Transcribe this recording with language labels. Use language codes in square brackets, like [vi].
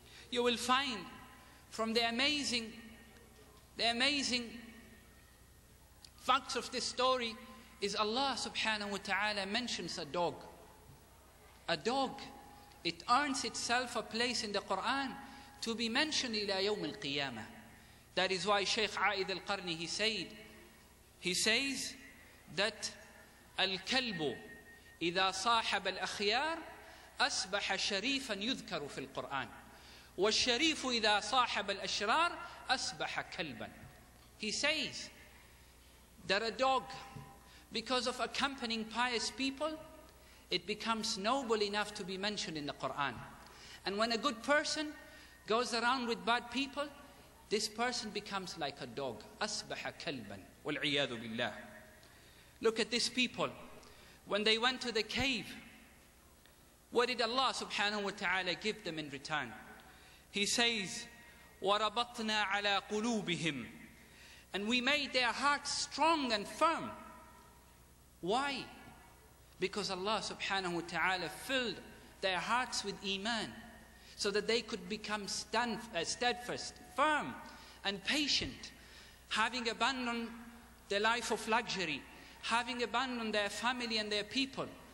[en] You will find from the amazing facts of this story is Allah subhanahu wa ta'ala mentions a dog. A dog, it earns itself a place in the Quran to be mentioned ila yawm al-qiyamah. That is why Shaykh A'id al-Qarni, he says that [ar] الكلب إذا صاحب الأخيار أصبح شريفا يذكر في القرآن والشريف إذا صاحب الأشرار أصبح كلبا. [en] He says that a dog, because of accompanying pious people, it becomes noble enough to be mentioned in the Quran. And when a good person goes around with bad people, this person becomes like a dog. [ar] أصبح كلبا والعياذ بالله. [en] Look at these people. When they went to the cave, what did Allah subhanahu wa ta'ala give them in return? He says, [ar] وَرَبَطْنَا عَلَىٰ قُلُوبِهِمْ. [en] And we made their hearts strong and firm. Why? Because Allah subhanahu wa ta'ala filled their hearts with iman so that they could become steadfast, firm and patient, having abandoned the life of luxury, having abandoned their family and their people.